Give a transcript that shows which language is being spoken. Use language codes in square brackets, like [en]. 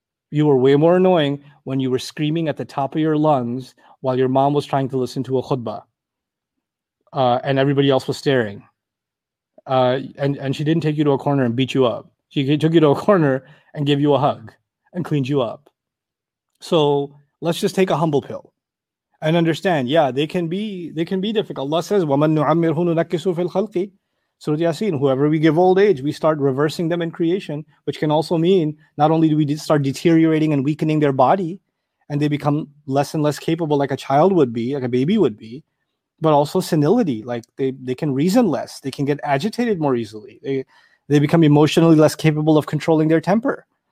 [en] You were way more annoying when you were screaming at the top of your lungs while your mom was trying to listen to a khutbah and everybody else was staring. And she didn't take you to a corner and beat you up. She took you to a corner and gave you a hug and cleaned you up. So let's just take a humble pill and understand, yeah, they can be difficult. Allah says, [ar] وَمَن نُعَمِّرْهُ نُنَكِّسُهُ فِي الْخَلْقِ. [en] Surah Yasin, whoever we give old age, we start reversing them in creation, which can also mean not only do we start deteriorating and weakening their body and they become less and less capable like a child would be, like a baby would be, but also senility, like they can reason less, they can get agitated more easily, they become emotionally less capable of controlling their temper.